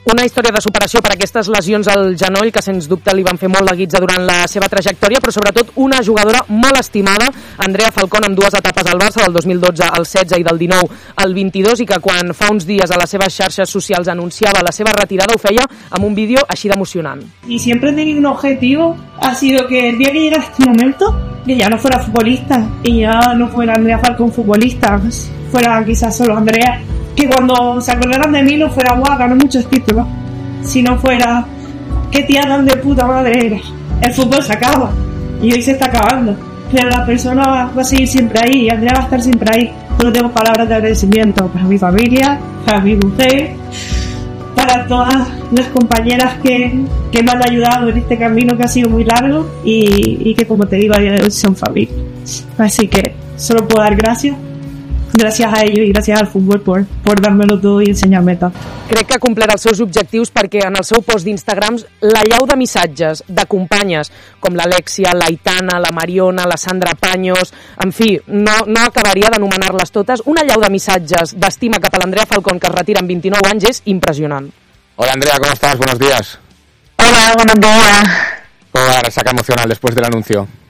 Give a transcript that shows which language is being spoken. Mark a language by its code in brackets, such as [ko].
[ca] Una història de superació per aquestes lesions al genoll que, sens dubte, li van fer molt de guitza durant la seva trajectòria, però sobretot una jugadora molt estimada, Andrea Falcón, amb dues etapes al Barça, del 2012 al 16 i del 19 al 22, i que quan fa uns dies a les seves xarxes socials anunciava la seva retirada, ho feia amb un vídeo així d'emocionant. [es] Y siempre he tenido un objetivo, ha sido que el día que llegara este momento, que ya no fuera futbolista y ya no fuera Andrea Falcón futbolista, fuera quizás solo Andrea, que cuando se acordaran de mí no fuera guau, ganó muchos títulos, sino fuera qué tía tan de puta madre eres. El fútbol se acaba y hoy se está acabando, pero la persona va a seguir siempre ahí y Andrea va a estar siempre ahí. Solo tengo palabras de agradecimiento para mi familia, para mi mujer, para todas las compañeras que me han ayudado en este camino que ha sido muy largo y que, como te digo, a día de hoy son familia. Así que solo puedo dar gracias. Gràcies a ellos y gracias al fútbol por dármelo todo y enseñarme todo. [ca] Crec que ha complert els seus objectius perquè en el seu post d'Instagram l'allau de missatges de companyes com l'Alexia, l'Aitana, la Mariona, la Sandra Paños, en fi, no acabaria d'anomenar-les totes. Una allau de missatges d'estima cap a l'Andrea Falcón, que es retira amb 29 anys, és impressionant. [es] Hola, Andrea, ¿cómo estás? Buenos días. Hola, buenos días. ¿Cómo va la resaca emocional después del anuncio?